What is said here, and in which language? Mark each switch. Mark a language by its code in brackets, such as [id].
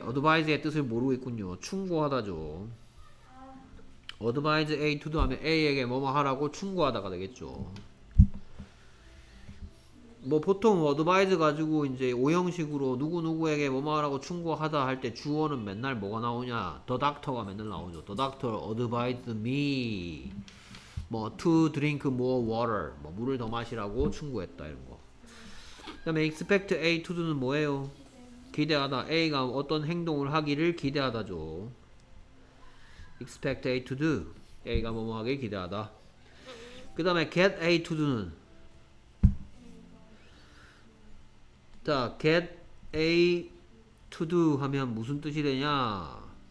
[ko] advise의 뜻을 모르고 있군요. 충고하다죠. [en] advise a to do [ko] 하면 A에게 뭐뭐 하라고 충고하다가 되겠죠. 뭐 보통 advise 가지고 이제 5형식으로 누구누구에게 뭐뭐 하라고 충고하다 할 때 주어는 맨날 뭐가 나오냐. [en] The doctor [ko] 가 맨날 나오죠. [en] The doctor advised me [ko] 뭐 [en] to drink more water. [ko] 뭐 물을 더 마시라고 충고했다 이런 거. 그 다음에 [en] expect a to do [ko] 는 뭐예요? 기대하다. A가 어떤 행동을 하기를 기대하다죠. [en] expect a to do. [ko] A가 뭐뭐 하길 기대하다. 그 다음에 [en] get a to do [ko] 는 자 get a to do 하면 무슨 뜻이 되냐.